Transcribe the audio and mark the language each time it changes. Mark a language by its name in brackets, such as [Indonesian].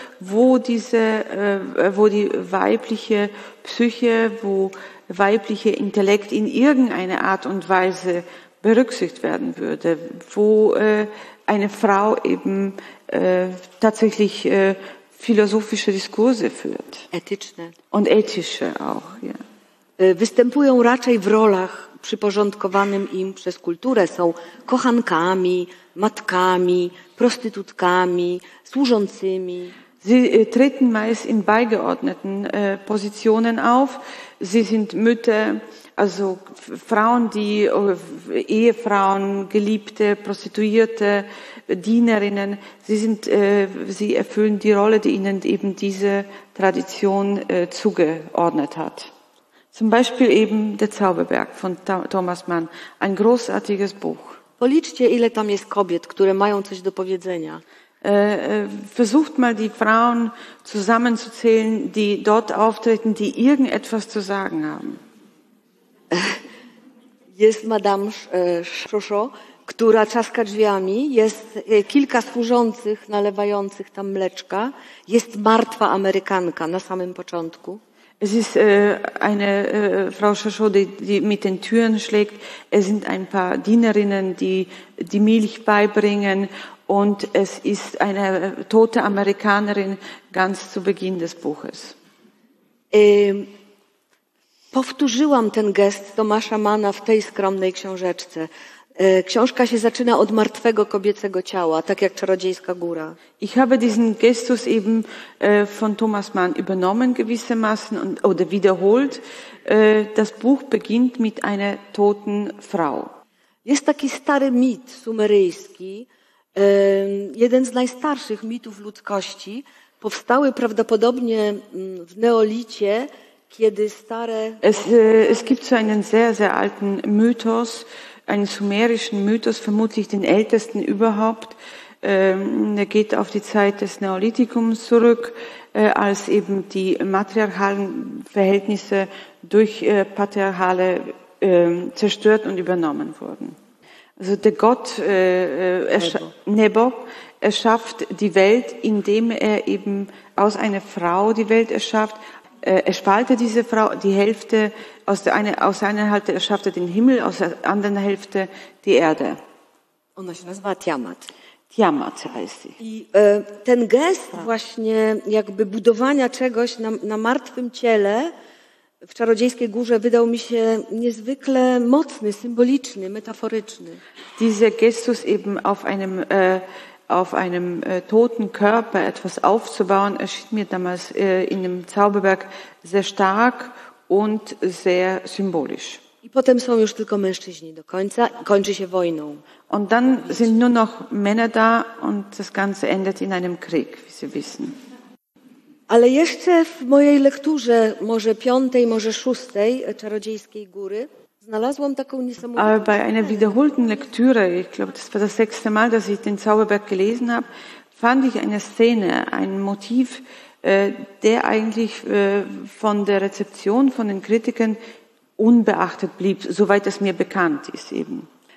[German] wo die weibliche Psyche, wo weibliche Intellekt in irgendeiner Art und Weise berücksichtigt werden würde, wo eine Frau eben tatsächlich philosophische Diskurse führt. [Polish] Etyczne. [German] Und ethische auch, ja. [Polish] Występują raczej w rolach przyporządkowanym im przez kulturę. Są kochankami, matkami, prostytutkami, służącymi. [German] Sie treten meist in beigeordneten Positionen auf. Sie sind Mütter, also Frauen, die Ehefrauen, Geliebte, Prostituierte, Dienerinnen, sie erfüllen die Rolle, die ihnen eben diese Tradition zugeordnet hat. Zum Beispiel eben der Zauberberg von Thomas Mann, ein großartiges Buch. [Polish] Policzcie, ile tam jest kobiet, które mają coś do powiedzenia. [German] Versucht mal die Frauen zusammenzuzählen, die dort auftreten, die irgendetwas zu sagen haben. [Polish] Jest Madame Chauchot, która czaska drzwiami, jest kilka służących nalewających tam mleczka, jest martwa Amerykanka na samym początku. [German] Es ist eine Frau Chauchot, die mit den Türen schlägt. Es sind ein paar Dienerinnen, die Milch beibringen. Und es ist eine tote Amerikanerin ganz zu Beginn des Buches. [Polish] Powtórzyłam ten gest Tomasza Manna w tej skromnej książeczce. Książka się zaczyna od martwego kobiecego ciała, tak jak Czarodziejska Góra. [German] Ich habe diesen Gestus eben von Thomas Mann übernommen gewissermaßen und, oder wiederholt. Das Buch beginnt mit einer toten Frau. [Polish] Jest taki stary mit sumeryjski, jeden z najstarszych mitów ludzkości, powstały prawdopodobnie w neolicie, kiedy stare... [German] Es gibt so einen sehr, sehr alten Mythos, einen sumerischen Mythos, vermutlich den ältesten überhaupt. Der geht auf die Zeit des Neolithikums zurück, als eben die matriarchalen Verhältnisse durch patriarchale zerstört und übernommen wurden. Also der Gott Nebo erschafft die Welt, indem er eben aus einer Frau die Welt erschafft. Er spaltet diese Frau, die Hälfte, aus einer Hälfte erschafft er den Himmel, aus der anderen Hälfte die Erde. [Polish] Ona się nazywa Tiamat. [German] Tiamat heißt sie. [Polish] I ten gest właśnie jakby budowania czegoś na martwym ciele w Czarodziejskiej Górze wydał mi się niezwykle mocny, symboliczny, metaforyczny. [German] Dieser Gestus eben auf einem toten Körper etwas aufzubauen, erschien mir damals in dem Zauberberg sehr stark und sehr symbolisch. [Polish] I potem są już tylko mężczyźni do końca, kończy się wojną. [German] Und dann sind nur noch Männer da und das Ganze endet in einem Krieg, wie Sie wissen. [Polish] Ale jeszcze w mojej lekturze, może piątej, może szóstej Czarodziejskiej Góry, znalazłam taką niesamowitą... Ale [German] bei einer wiederholten Lektüre, ich glaube, das war das sechste Mal, dass ich den Zauberberg gelesen habe, fand ich eine Szene, ein Motiv, der eigentlich von der Rezeption, von den Kritikern unbeachtet blieb, soweit es mir bekannt ist eben.